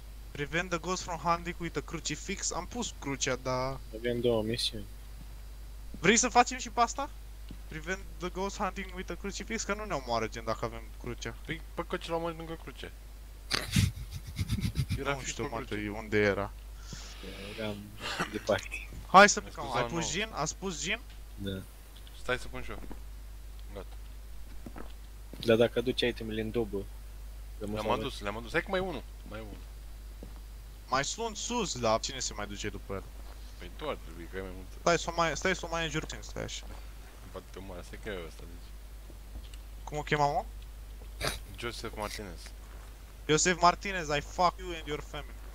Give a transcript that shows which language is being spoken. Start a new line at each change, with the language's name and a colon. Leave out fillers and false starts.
English: Prevent the ghost from hunting with a crucifix.
Romanian: Am pus crucea, dar... Avem două misiuni. Vrei să facem și pasta?
English: Prevent the ghost hunting with a crucifix,
Romanian: că nu ne omoară gen dacă avem crucea. Păi, pe căci l-am lângă cruce. Era nu știu, mă, unde era. Eram departe. Hai să plecăm, ai pus Jin? A spus Jin? Da. Stai să pun și eu. Gata. Dar dacă aduci itemele în dubă... Le-am adus, le-am adus. Hai că mai e unul. Mai e unul. Mai sunt sus, dar cine se mai duce după el? Păi tu ar trebui, că ai mai multe. Stai să mai, stai să mai înjur timp, stai așa. Poate te omoară, stai că e ăsta, deci. Cum o chema, mă? Joseph Martinez.
English: Joseph Martinez, I fuck you and your family.